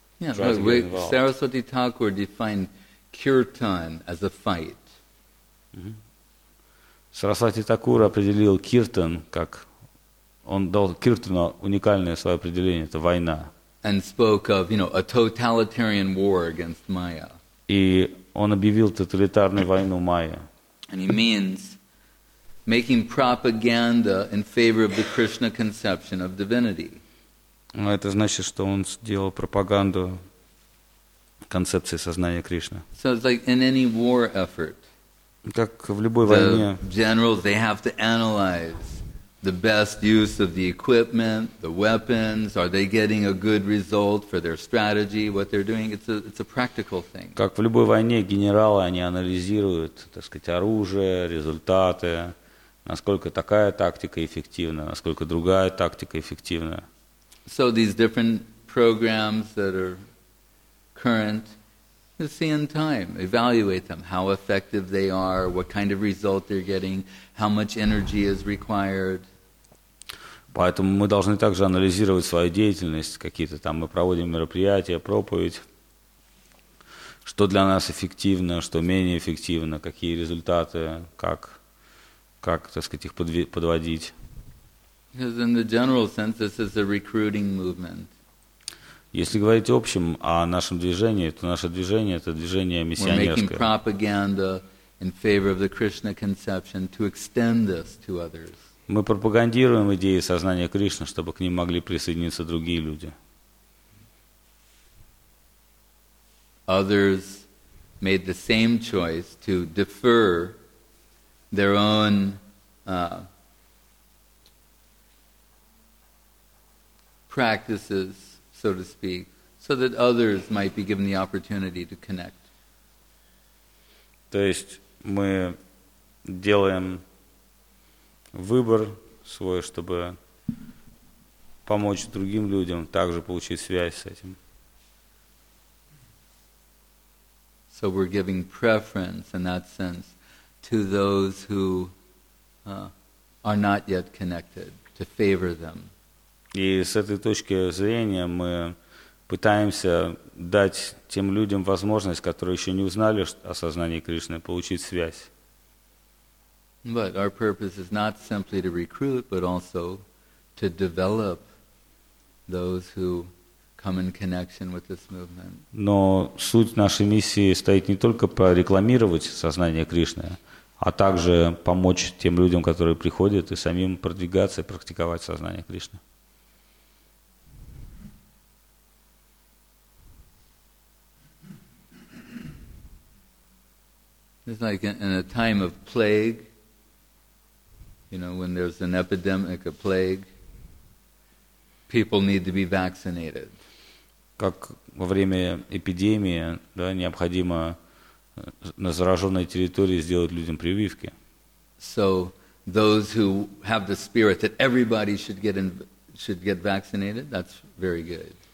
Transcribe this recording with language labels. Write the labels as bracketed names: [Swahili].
[English] Saraswati Thakur defined kirtan as a fight. [Russian] Saraswati Thakur определил kirtan как он дал kirtana уникальное свое определение это война. [English] And spoke of a totalitarian war against Maya. [Russian] И он объявил тоталитарную войну Майя. [English] And he means making propaganda in favor of the Krishna conception of divinity. [Russian] Но это значит, что он сделал пропаганду концепции сознания Кришны. [English] So it's like in any war effort. [Russian] Как в любой войне. [English] Generals, they have to analyze the best use of the equipment, the weapons. Are they getting a good result for their strategy? What they're doing? It's a practical thing. [Russian] Как в любой войне генералы они анализируют, так сказать, оружие, результаты, насколько такая тактика эффективна, насколько другая тактика эффективна. [English] So these different programs that are current, just see in time, evaluate them, how effective they are, what kind of result they're getting, how much energy is required. [Russian] Поэтому мы должны также анализировать свою деятельность, какие-то там мы проводим мероприятия, проповедь, что для нас эффективно, что менее эффективно, какие результаты, как так сказать, их подводить. [English] Because in the general sense, this is a recruiting movement. [Russian] Если говорить общим о нашем движении, то наше движение это движение миссионерское. [English] We're making propaganda in favor of the Krishna conception to extend this to others. [Russian] Мы пропагандируем идеи сознания Кришны, чтобы к ним могли присоединиться другие люди. [English] Others made the same choice to defer their own. Practices, so to speak, so that others might be given the opportunity to connect. [Russian] То есть мы делаем выбор свой, чтобы помочь другим людям также получить связь с этим. [English] So we're giving preference in that sense to those who are not yet connected, to favor them. [Russian] И с этой точки зрения мы пытаемся дать тем людям возможность, которые еще не узнали о сознании Кришны, получить связь. [English] But our purpose is not simply to recruit, but also to develop those who come in connection with this movement. [Russian] Но суть нашей миссии стоит не только прорекламировать сознание Кришны, а также помочь тем людям, которые приходят, и самим продвигаться и практиковать сознание Кришны. [English] It's like in a time of plague, you know, when there's an epidemic, a plague, people need to be vaccinated. [Russian] Как во время эпидемии, да, необходимо на зараженной территории сделать людям прививки. [English] So those who have the spirit that everybody should get vaccinated, that's very good.